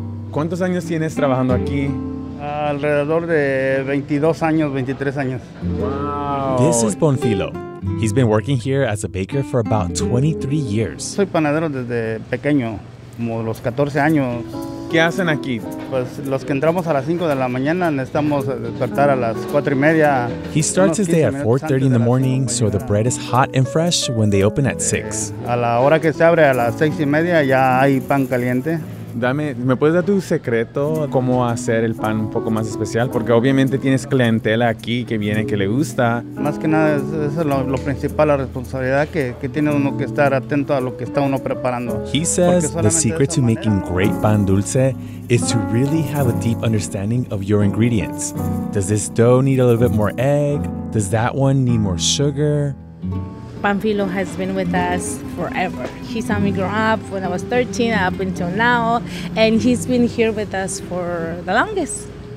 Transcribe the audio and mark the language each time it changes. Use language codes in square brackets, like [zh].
[es] ¿Cuántos años tienes trabajando aquí? Alrededor de 22 años, 23 años. [en] Wow. This is Bonfilo. He's been working here as a baker for about 23 years. [es] Soy panadero desde pequeño, como los 14 años. ¿Qué hacen aquí? Pues los que entramos a las 5 de la mañana necesitamos despertar a las 4 y media. [en] He starts his day at 4:30 in the morning, so the bread is hot and fresh when they open at 6. [es] A la hora que se abre, a las 6 y media, ya hay pan caliente. Dame, ¿me puedes dar tu secreto cómo hacer el pan un poco más especial? Porque obviamente tienes clientela aquí que viene, que le gusta. Más que nada, eso es lo principal, la responsabilidad que tiene uno que estar atento a lo que está uno preparando. [en] He says the secret to making great pan dulce is to really have a deep understanding of your ingredients. Does this dough need a little bit more egg? Does that one need more sugar? Panfilo has been with us forever. He saw me grow up when I was 13 up until now, and he's been here with us for the longest.